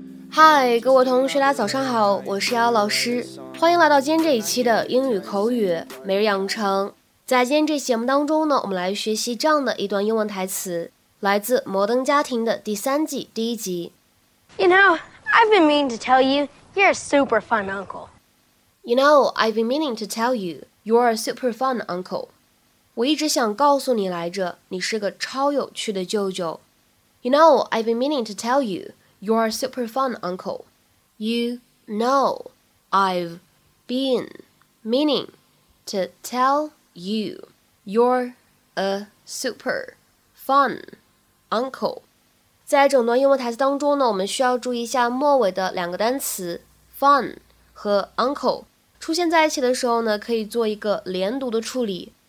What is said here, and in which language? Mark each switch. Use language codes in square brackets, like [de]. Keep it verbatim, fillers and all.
[zh] 嗨，各位同学，大家早上好，我是姚老师，欢迎来到今天这一期的英语口语每日养成。在今天这期节目当中呢，我们来学习这样的一段英文台词，来自《摩登家庭》的第三季第一集。 [en] You know, I've been meaning to tell you, you're a super fun uncle. You know, I've been meaning to tell you, you're a super fun uncle. [zh] 我一直想告诉你来着，你是个超有趣的舅舅。 [en] You know, I've been meaning to tell you. You're a super fun uncle. You know, I've been meaning to tell you. You're a super fun uncle. [zh] 在整段英文台词当中呢，我们需要注意一下末尾的两个单词 fun 和 uncle 出现在一起的时候呢，可以做一个连读的处理。